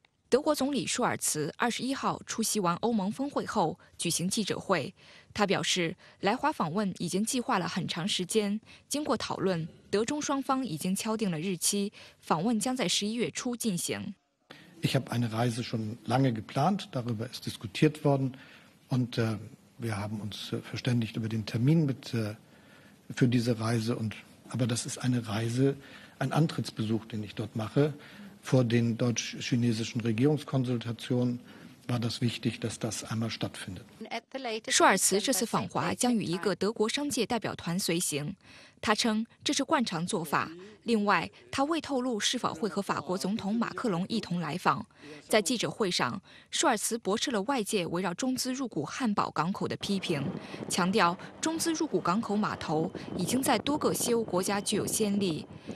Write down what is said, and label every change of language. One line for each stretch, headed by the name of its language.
Chinese: 德国总理舒尔茨21号出席完欧盟峰会后举行记者会，他表示，来华访问已经计划了很长时间，经过讨论。德中双方已经敲定了日期，访问将在11月初进行。
German: Ich habe eine Reise schon lange geplant, darüber ist diskutiert worden, und wir haben uns verständigt über den Termin für diese Reise. Aber das ist eine Reise, ein Antrittsbesuch, den ich dort mache. Vor den deutsch-chinesischen Regierungskonsultationen war das wichtig, dass das einmal stattfindet.
Chinese: 舒尔茨这次访华将与一个德国商界代表团随行。他称这是惯常做法，另外他未透露是否会和法国总统马克龙一同来访。在记者会上，舒尔茨驳斥了外界围绕中资入股汉堡港口的批评，强调中资入股港口码头已经在多个西欧国家具有先例。